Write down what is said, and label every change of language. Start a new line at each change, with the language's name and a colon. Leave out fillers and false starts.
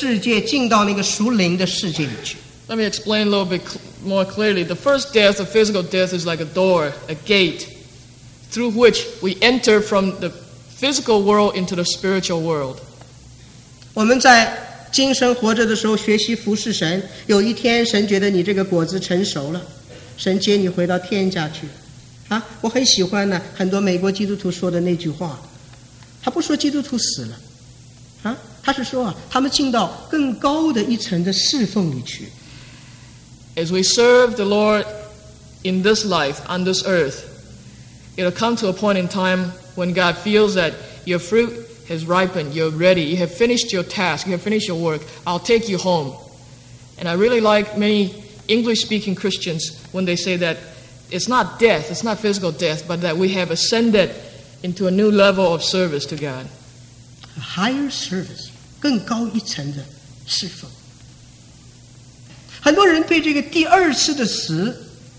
Chinese: 这个第一次的死，好像一个门，人从那个门过去，从这个物质的世界进到那个属灵的世界里去。
English: Let me explain a little bit more clearly. The first death, the physical death, is like a door, a gate, through which we enter from the physical world into the spiritual world.
Chinese: 我们在 今生活着的时候学习服侍神，有一天神觉得你这个果子成熟了，神接你回到天家去。啊，我很喜欢呢，很多美国基督徒说的那句话，他不说基督徒死了，啊，他是说啊，他们进到更高的一层的侍奉里去。
English: As we serve the Lord in this life, on this earth, it'll come to a point in time when God feels that your fruit has ripened, you're ready, you have finished your task, you have finished your work, I'll take you home. And I really like many English-speaking Christians when they say that it's not death, it's not physical death, but that we have ascended into a new level of service to God. A higher service,
Chinese: 更高一层的侍奉。很多人对这个第二次的死